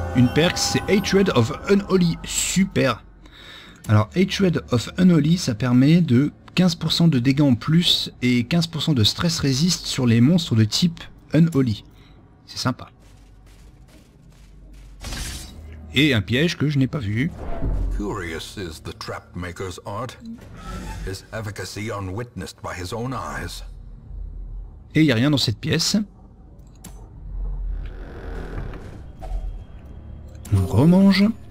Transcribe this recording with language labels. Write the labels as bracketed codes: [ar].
[fr] Une perk, c'est Hatred of Unholy. Super. Alors Hatred of Unholy, ça permet de 15% de dégâts en plus et 15% de stress résist sur les monstres de type Unholy. C'est sympa. Et un piège que je n'ai pas vu. [en] Curious is the trap maker's art. His efficacy unwitnessed by his own eyes. [fr] Et il n'y a rien dans cette pièce. On remange.